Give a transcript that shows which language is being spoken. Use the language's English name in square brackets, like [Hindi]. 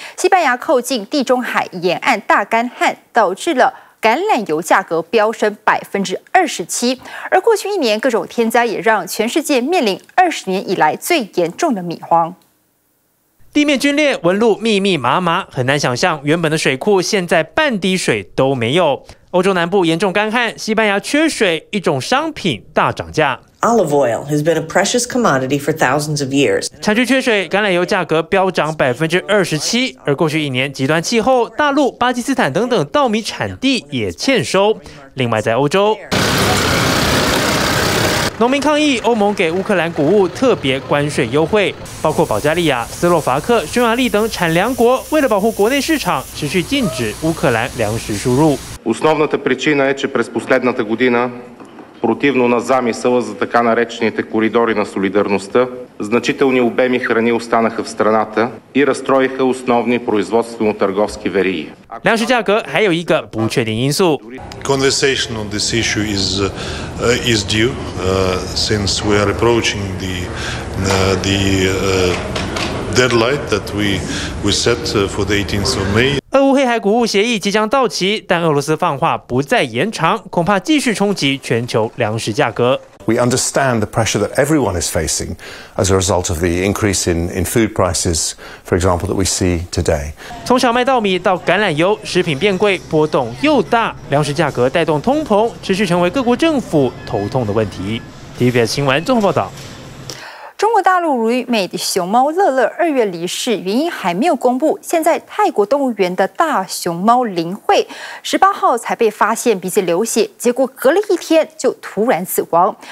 [Chinese] 西班牙靠近地中海沿岸大干旱导致了橄榄油价格飙升27%，而过去一年各种天灾也让全世界面临20年以来最严重的米荒。地面皲裂，纹路密密麻麻，很难想象原本的水库现在半滴水都没有。欧洲南部严重干旱，西班牙缺水，一种商品大涨价。 [English] Olive oil has been a precious commodity for thousands of years. [Chinese] 产区缺水，橄榄油价格飙涨27%，而过去一年极端气候，大陆、巴基斯坦等等稻米产地也欠收。另外，在欧洲，农民抗议，欧盟给乌克兰谷物特别关税优惠，包括保加利亚、斯洛伐克、匈牙利等产粮国，为了保护国内市场，持续禁止乌克兰粮食输入。 [Bulgarian] Основната причина е, че през последната година, противно на замисъла за така наречените коридори на солидарността, значителни обеми храни останаха в страната и разстроиха основни производствено-търговски вериги. [Chinese] 粮食价格还有一个不确定因素。 [English] Conversation on this issue is due, since we are approaching the deadline that we set for the 18th of May. [Chinese] 俄乌黑海谷物协议即将到期，但俄罗斯放话不再延长，恐怕继续冲击全球粮食价格。 [English] We understand the pressure that everyone is facing as a result of the increase in food prices, for example, that we see today. [Chinese] 从小麦、稻米到橄榄油，食品变贵，波动又大，粮食价格带动通膨，持续成为各国政府头痛的问题。 TVBS 新闻综合报道。中国大陆旅美的熊猫乐乐2月离世，原因还没有公布。现在泰国动物园的大熊猫林慧18号才被发现鼻子流血，结果隔了一天就突然死亡。